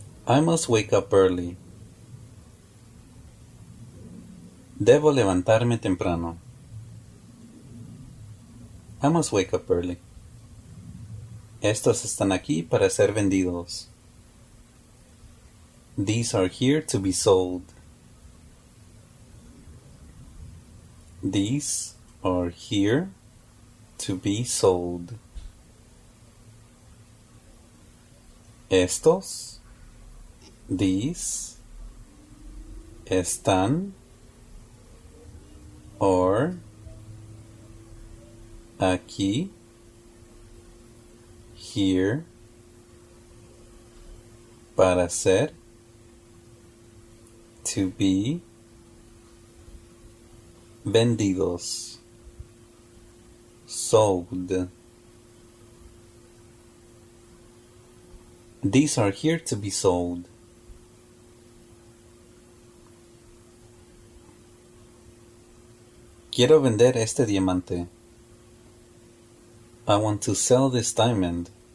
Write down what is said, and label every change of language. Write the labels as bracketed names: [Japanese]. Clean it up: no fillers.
[English] I must wake up early. [Spanish] Debo levantarme temprano. [English] I must wake up early. [Spanish] Estos están aquí para ser vendidos. [English] These are here to be sold. These are here to be sold. [Spanish] Estos. [English] These [Spanish] están [English] or [Spanish] aquí [English] here [Spanish] para ser [English] to be [Spanish] vendidos [English] sold. These are here to be sold. [Spanish] Quiero vender este diamante. [English] I want to sell this diamond.